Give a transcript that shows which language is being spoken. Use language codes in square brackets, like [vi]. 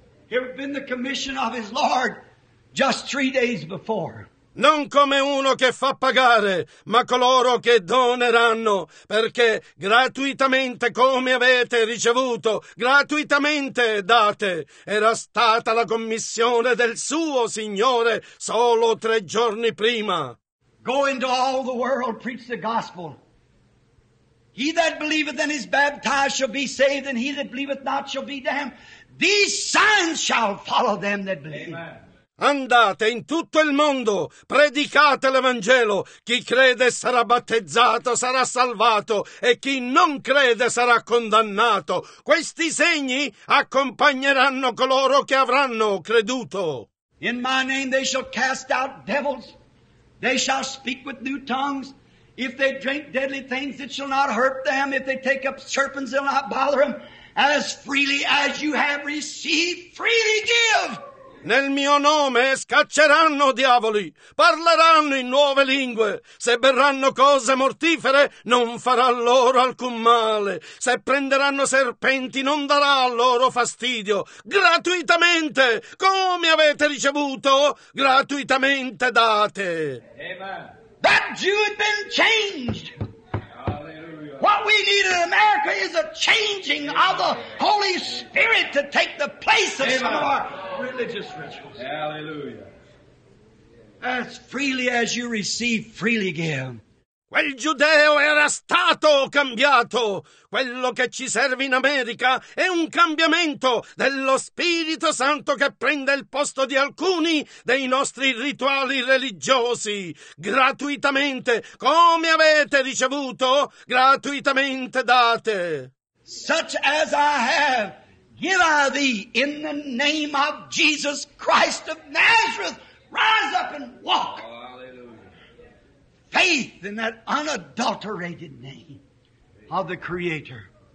[en] It had been the commission of his Lord just 3 days before. [it] Non come uno che fa pagare, ma coloro che doneranno, perché gratuitamente come avete ricevuto, gratuitamente date. Era stata la commissione del suo Signore solo 3 giorni prima. [en] Go into all the world, preach the gospel. He that believeth and is baptized shall be saved, and he that believeth not shall be damned. These signs shall follow them that believe. Amen. [it] Andate in tutto il mondo, predicate l'Evangelo. Chi crede sarà battezzato, sarà salvato, e chi non crede sarà condannato. Questi segni accompagneranno coloro che avranno creduto. [en] In my name they shall cast out devils, they shall speak with new tongues. If they drink deadly things, it shall not hurt them. If they take up serpents, it'll not bother them. As freely as you have received, freely give. [it] Nel mio nome scacceranno diavoli, parleranno in nuove lingue. Se berranno cose mortifere, non farà loro alcun male. Se prenderanno serpenti, non darà loro fastidio. Gratuitamente, come avete ricevuto, gratuitamente date. Amen. [en] That Jew had been changed. What we need in America is a changing of the Holy Spirit to take the place of some of our religious rituals. Hallelujah. As freely as you receive, freely give. [it] Quel giudeo era stato cambiato. Quello che ci serve in America è un cambiamento dello Spirito Santo che prende il posto di alcuni dei nostri rituali religiosi. Gratuitamente, come avete ricevuto, gratuitamente date. [en] Such as I have, give I thee in the name of Jesus Christ of Nazareth. Rise up and walk. Faith in that unadulterated name of the Creator.